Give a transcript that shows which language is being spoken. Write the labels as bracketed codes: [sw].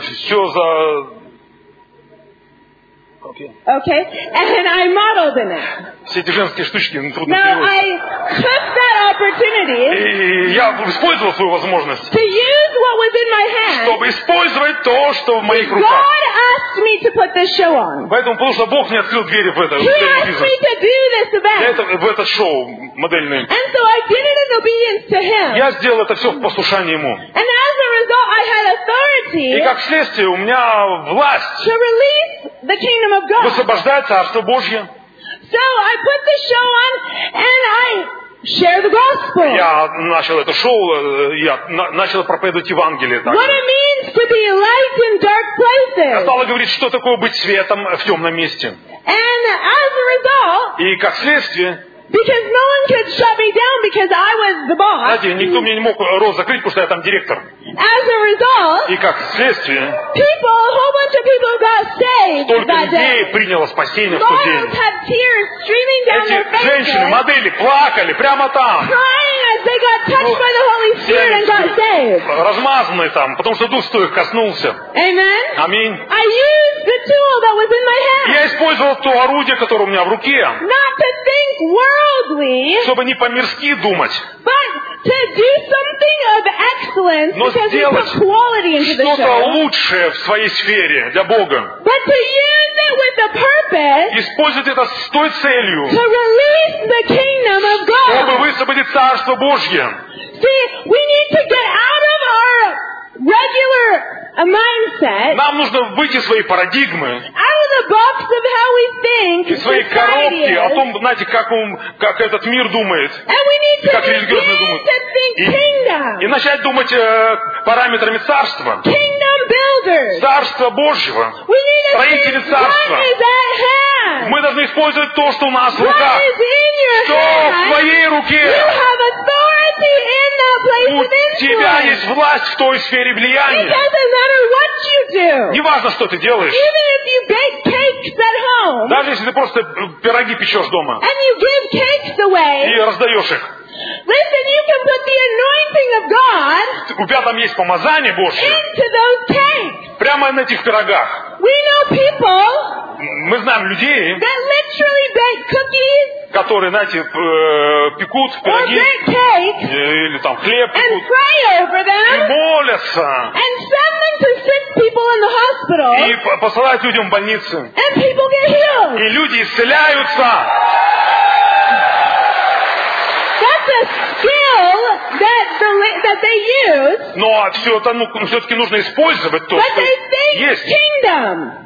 [ru] Все за. [en] Okay. And I modeled in it. [ru] Все эти женские штучки трудно переводить. [en] Now I took that opportunity. [ru] И я использовал свою возможность. [en] To use what was in my hand. [ru] Чтобы использовать то, что в моих руках. [en] God asked me to put this show on. [ru] Поэтому, потому что Бог мне открыл двери в этот бизнес. [en] He asked me to do this event. [ru] В это шоу модельное. [en] And so I did it in obedience to Him. [ru] Я сделал это все в послушании Ему. [en] And as a result, I had authority. [ru] И как следствие, у меня власть. [en] To release the kingdom of God. [ru] Высвобождать Царство Божье. [en] So I put the show on and I share the gospel. [ru] Я начал это шоу, я начал проповедовать Евангелие. Так. [en] What it means to be light in dark places. [ru] Я стал говорить, что такое быть светом в темном месте. [en] And as a result, [ru] и как следствие, [en] because no one could shut me down because I was the boss. [ru] Знаете, никто мне не мог рот закрыть, потому что я там директор. [en] As a result, [ru] и как следствие, [en] people, a whole bunch of people got saved that day. [ru] Столько людей приняло спасение в тот день. [en] Girls had tears streaming down their faces. [ru] Эти женщины, модели, плакали прямо там. [en] Crying as they got touched by the Holy Spirit and got saved. [ru] Размазанные там, потому что Дух Святой их коснулся. [en] Amen. [ru] Аминь. [en] I used the tool that was in my hand. [ru] Я использовал то орудие, которое у меня в руке. [en] Not to think worldly, [ru] чтобы не по-мирски думать. [en] But to do something of excellence. [ru] Но сделать что-то лучшее в своей сфере для Бога. [en] But to use it with a purpose. [ru] Использовать это с той целью. [en] To release the kingdom of God. [ru] Чтобы высвободить Царство Божье. [en] See, we need to get out of our regular mindset. [ru] Нам нужно выйти из своей парадигмы. [en] Out of the box of how we think. [ru] Из своей коробки о том, знаете, как этот мир думает. [en] And we need to [ru] как религиозные думают. И начать думать параметрами царства. [en] Kingdom builders. [ru] Царство Божьего. [en] We need to think what is at hand. [ru] Мы должны использовать то, что у нас в руках. [en] What is in your [ru] что [en] hand? [ru] В твоей руке. [en] You have authority in that place [ru] у тебя есть власть в той сфере влияния. [en] It doesn't matter what you do. [ru] Не важно, что ты делаешь. [en] Even if you bake cakes at home. [ru] Даже если ты просто пироги печешь дома. [en] And you give cakes away. [ru] И раздаешь их. [en] Listen, you can put the anointing of God. [ru] У тебя там есть помазание Божье. [en] Into those cakes. [ru] Прямо на этих пирогах. [en] We know people. [ru] Мы знаем людей. [en] That literally bake cookies. [ru] Которые, знаете, пекут пироги. [en] Or bake cakes. [ru] Или там хлеб пекут. [en] And pray over them. [ru] И молятся. [en] And send them to sick people in the hospital. hospital, [ru] и посылают людям в больницы. [en] And people get healed. [ru] И люди исцеляются. [en] That's a skill that they use. [ru] Но все это, ну, все-таки нужно использовать то, [en] but [ru] что [en] they [ru] есть. [en] Kingdom.